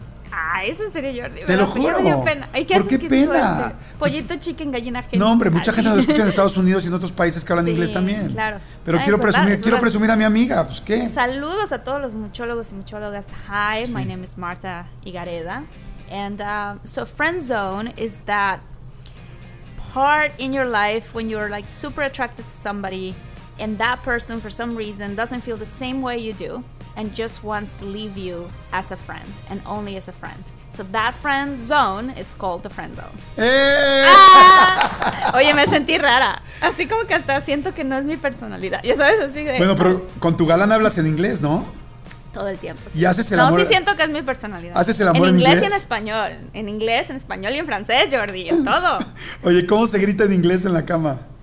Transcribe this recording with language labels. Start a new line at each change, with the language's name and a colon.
Spanish: Ah, eso sería, Jordi. Te lo juro. Pero ya me dio pena. ¿Por qué pena? Pollito, chicken, gallina, gente. No, hombre, mucha gente lo escucha en Estados Unidos y en otros países que hablan inglés también. Claro. Pero quiero presumir a mi amiga. Pues, ¿qué? Saludos a todos los muchólogos y muchólogas.
English: Hi, my name is Marta Higareda. And so friend zone is that part in your life when you're like super attracted to somebody and that person for some reason doesn't feel the same way you do and just wants to leave you as a friend and only as a friend. So that friend zone, it's called the friend zone.
Spanish: ¡Eh! ¡Ah! Oye, me sentí rara. Así como que hasta siento que no es mi personalidad. Ya sabes, así de... Bueno, pero con tu galán hablas en inglés, ¿no? Todo el tiempo. ¿Y haces el amor? No, sí siento que es mi personalidad. ¿Haces el amor en inglés? En inglés y en español. En inglés, en español y en francés, Jordi. En todo. Oye, ¿cómo se grita en inglés en la cama?